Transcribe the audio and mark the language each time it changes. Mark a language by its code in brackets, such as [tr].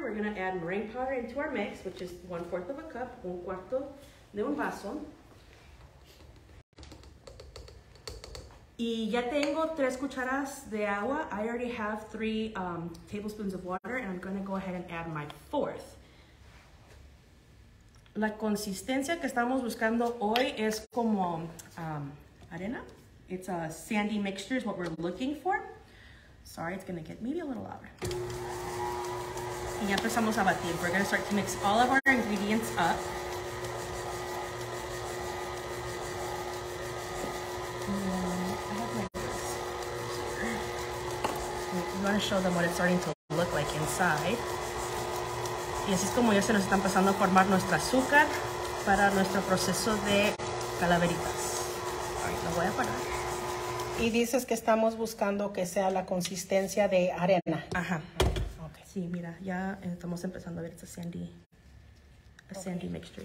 [en] We're gonna add meringue powder into our mix, which is 1/4 of a cup, [es] 1/4 de un vaso. Y ya tengo 3 cucharas de agua. [en] I already have 3 tablespoons of water, and I'm gonna go ahead and add my 4th. [es] La consistencia que estamos buscando hoy es como arena. [en] It's a sandy mixture is what we're looking for. Sorry, it's gonna get maybe a little louder. [es] Y ya empezamos a batir. [en] We're gonna start to mix all of our ingredients up. You wanna show them what it's starting to look like inside. [es] Y así es como ya se nos están pasando a formar nuestra azúcar para nuestro proceso de calaveritas. [en] All right, [es] lo voy a parar. Y dices que estamos buscando que sea la consistencia de arena. Ajá. Okay. Sí, mira, ya estamos empezando a ver esta [en] sandy, sandy mixture.